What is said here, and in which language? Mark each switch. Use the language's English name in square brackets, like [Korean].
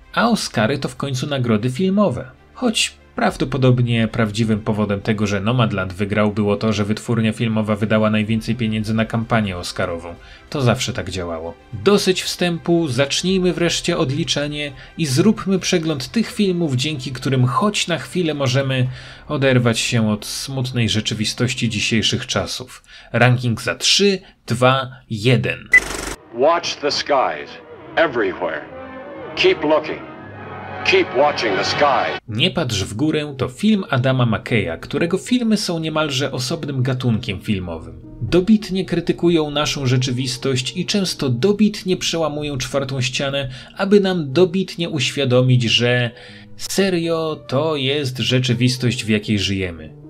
[Polish] A Oscary to w końcu nagrody filmowe. Choć prawdopodobnie prawdziwym powodem tego, że Nomadland wygrał, było to, że wytwórnia filmowa wydała najwięcej pieniędzy na kampanię oscarową. To zawsze tak działało. Dosyć wstępu, zacznijmy wreszcie odliczanie i zróbmy przegląd tych filmów, dzięki którym choć na chwilę możemy oderwać się od smutnej rzeczywistości dzisiejszych czasów. Ranking za 3, 2, 1. [English] Watch the skies, everywhere. Keep looking. Keep watching the sky. [Polish] Nie patrz w górę to film Adama McKaya, którego filmy są niemalże osobnym gatunkiem filmowym. Dobitnie krytykują naszą rzeczywistość i często dobitnie przełamują czwartą ścianę, aby nam dobitnie uświadomić, że serio to jest rzeczywistość, w jakiej żyjemy.